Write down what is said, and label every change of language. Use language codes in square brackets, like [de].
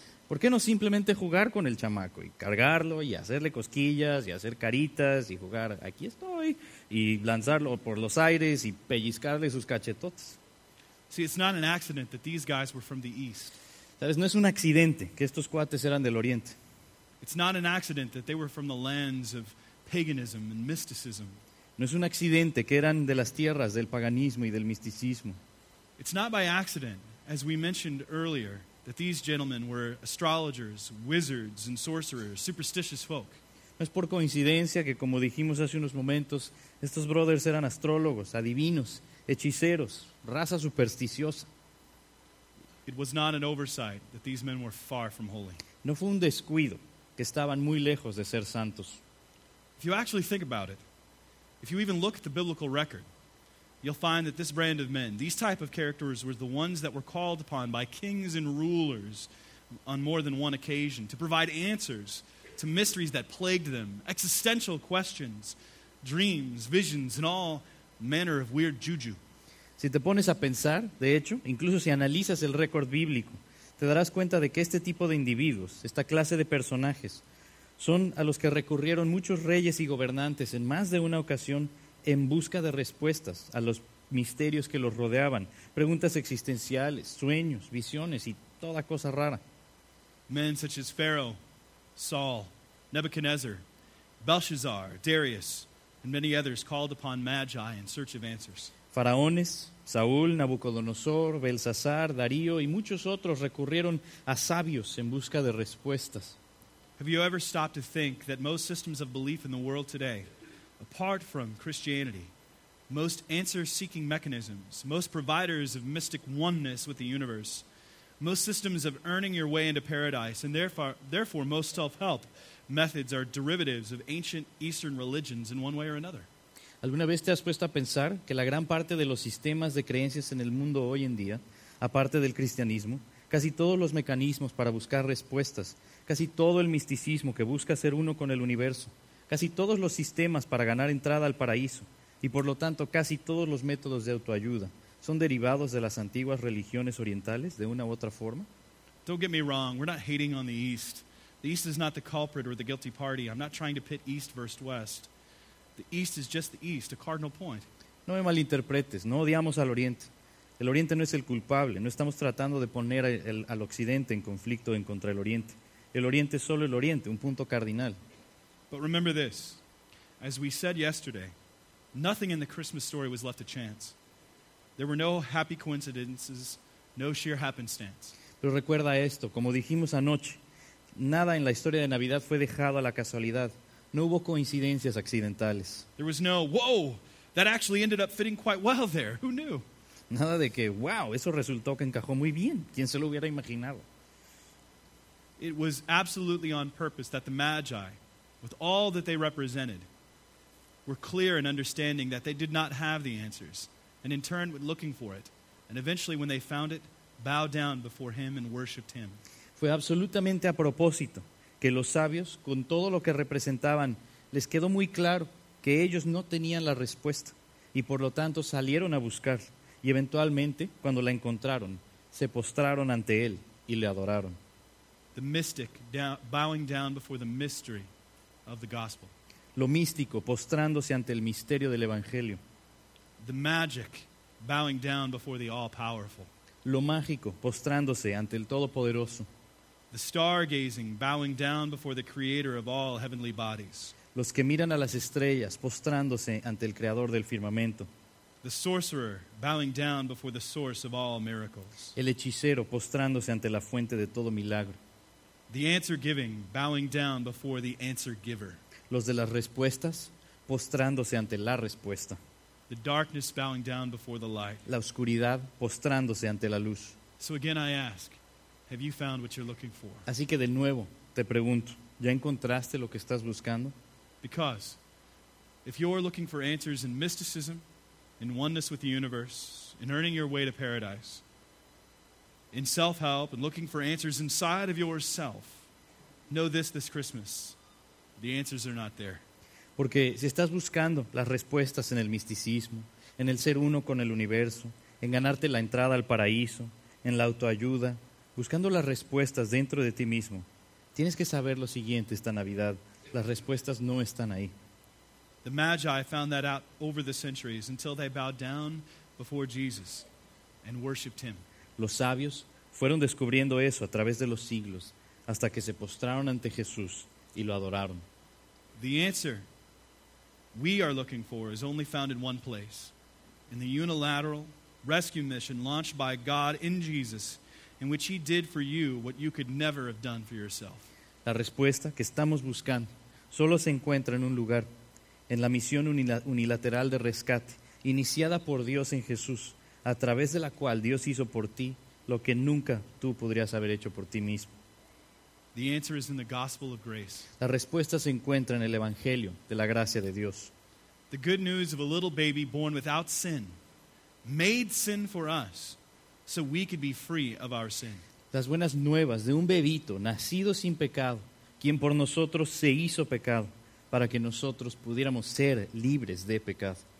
[es] ¿Por qué no simplemente jugar con el chamaco y cargarlo y hacerle cosquillas y hacer caritas y jugar aquí estoy y lanzarlo por los aires y pellizcarle sus cachetotes? [en] See, it's not an accident that these guys were from the east. [es] ¿Sabes? No es un accidente que estos cuates eran del oriente. [en] It's not an accident that they were from the lands of paganism and mysticism. [es] No es un accidente que eran de las tierras del paganismo y del misticismo. [en] It's not by accident, as we mentioned earlier, that these gentlemen were astrologers, wizards, and sorcerers, superstitious folk. [es] No es por coincidencia que, como dijimos hace unos momentos, estos brothers eran astrólogos, adivinos, hechiceros, raza supersticiosa. [en] It was not an oversight that these men were far from holy. [es] No fue un descuido que estaban muy lejos de ser santos. [en] If you actually think about it, if you even look at the biblical record, you'll find that this brand of men, these type of characters, were the ones that were called upon by kings and rulers on more than one occasion to provide answers to mysteries that plagued them, existential questions, dreams, visions, and all manner of weird juju. [es] Si te pones a pensar, de hecho, incluso si analizas el récord bíblico, te darás cuenta de que este tipo de individuos, esta clase de personajes, son a los que recurrieron muchos reyes y gobernantes en más de una ocasión en busca de respuestas a los misterios que los rodeaban, preguntas existenciales, sueños, visiones y toda cosa rara. [en] Men such as Pharaoh, Saul, Nebuchadnezzar, Belshazzar, Darius, and many others called upon magi in search of answers. [es] Faraones, Saúl, Nabucodonosor, Belsasar, Darío y muchos otros recurrieron a sabios en busca de respuestas. [en] Have you ever stopped to think that most systems of belief in the world today, apart from Christianity, most answer-seeking mechanisms, most providers of mystic oneness with the universe, most systems of earning your way into paradise, and therefore most self-help methods are derivatives of ancient Eastern religions in one way or another? [es] ¿Alguna vez te has puesto a pensar que la gran parte de los sistemas de creencias en el mundo hoy en día, aparte del cristianismo, casi todos los mecanismos para buscar respuestas, casi todo el misticismo que busca ser uno con el universo, casi todos los sistemas para ganar entrada al paraíso, y por lo tanto casi todos los métodos de autoayuda, son derivados de las antiguas religiones orientales de una u otra forma? [en] Don't get me wrong, we're not hating on the East. The East is not the culprit or the guilty party. I'm not trying to pit East versus West. The East is just the East, a cardinal point. [es] No me malinterpretes, no odiamos al Oriente. El Oriente no es el culpable. No estamos tratando de poner al Occidente en conflicto en contra del Oriente. El Oriente es solo el Oriente, un punto cardinal. [en] But remember this. As we said yesterday, nothing in the Christmas story was left to chance. There were no happy coincidences, no sheer happenstance. [es] Pero recuerda esto. Como dijimos anoche, nada en la historia de Navidad fue dejado a la casualidad. No hubo coincidencias accidentales. [en] There was no, whoa, that actually ended up fitting quite well there. Who knew? [es] Nada de que, wow, eso resultó que encajó muy bien. ¿Quién se lo hubiera imaginado? [en] It was absolutely on purpose that the Magi, with all that they represented, were clear in understanding that they did not have the answers, and in turn were looking for it, and eventually when they found it, bowed down before him and worshipped him. [es] Fue absolutamente a propósito que los sabios, con todo lo que representaban, les quedó muy claro que ellos no tenían la respuesta, y por lo tanto salieron a buscarla. Y eventualmente, cuando la encontraron, se postraron ante él y le adoraron. [en] The mystic, bowing down before the mystery of the gospel. [es] Lo místico, postrándose ante el misterio del evangelio. [en] The magic, bowing down before the all-powerful. [es] Lo mágico, postrándose ante el todopoderoso. [en] The stargazing, bowing down before the creator of all heavenly bodies. [es] Los que miran a las estrellas, postrándose ante el creador del firmamento. [en] The sorcerer, bowing down before the source of all miracles. [es] El hechicero, postrándose ante la fuente de todo milagro. [en] The answer giving, bowing down before the answer giver. [es] Los de las respuestas, postrándose ante la respuesta. [en] The darkness, bowing down before the light. [es] La oscuridad, postrándose ante la luz. [en] So again I ask, have you found what you're looking for? [es] Así que de nuevo, te pregunto, ¿ya encontraste lo que estás buscando? [en] Because if you're looking for answers in mysticism, in oneness with the universe, in earning your way to paradise, in self-help, and looking for answers inside of yourself, know this Christmas, the answers are not there. [es] Porque si estás buscando las respuestas en el misticismo, en el ser uno con el universo, en ganarte la entrada al paraíso, en la autoayuda, buscando las respuestas dentro de ti mismo, tienes que saber lo siguiente esta Navidad, las respuestas no están ahí. [en] The Magi found that out over the centuries until they bowed down before Jesus and worshipped him. [es] Los sabios fueron descubriendo eso a través de los siglos hasta que se postraron ante Jesús y lo adoraron. [en] The answer we are looking for is only found in one place, in the unilateral rescue mission launched by God in Jesus, in which he did for you what you could never have done for yourself. [es] La respuesta que estamos buscando solo se encuentra en un lugar, en la misión unilateral de rescate iniciada por Dios en Jesús, a través de la cual Dios hizo por ti lo que nunca tú podrías haber hecho por ti mismo. [en] The answer is in the gospel of grace. [es] La respuesta se encuentra en el Evangelio de la gracia de Dios. [en] The good news of a little baby born without sin, made sin for us, so we could be free of our sin. [es] Las buenas nuevas de un bebito nacido sin pecado, quien por nosotros se hizo pecado, para que nosotros pudiéramos ser libres de pecado.